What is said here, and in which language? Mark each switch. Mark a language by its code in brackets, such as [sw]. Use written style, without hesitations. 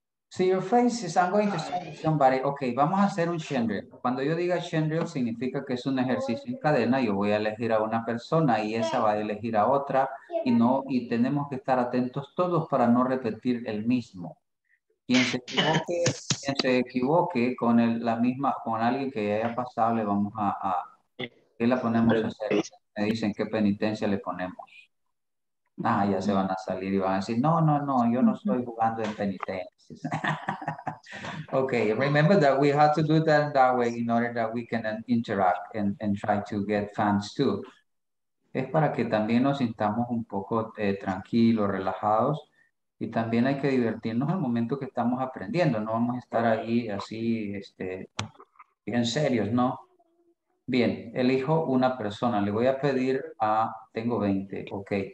[en] See your faces, I'm going to see somebody. [es] Ok, vamos a hacer un chain drill. Cuando yo diga chain drill, significa que es un ejercicio en cadena. Yo voy a elegir a una persona y esa va a elegir a otra. Y no, y tenemos que estar atentos todos para no repetir el mismo. Quien se equivoque con el, la misma, con alguien que ya haya pasado, le vamos a ¿qué la ponemos a hacer? Me dicen qué penitencia le ponemos. Ah, ya se van a salir y van a decir, no, no, no, yo no estoy jugando en penitencias. [en] Ok, remember that we have to do that that way in order that we can interact and try to get fans too. [es] Es para que también nos sintamos un poco tranquilos, relajados, y también hay que divertirnos al momento que estamos aprendiendo. No vamos a estar ahí así, bien serios, ¿no? Bien, elijo una persona. Le voy a pedir a, tengo 20, ok.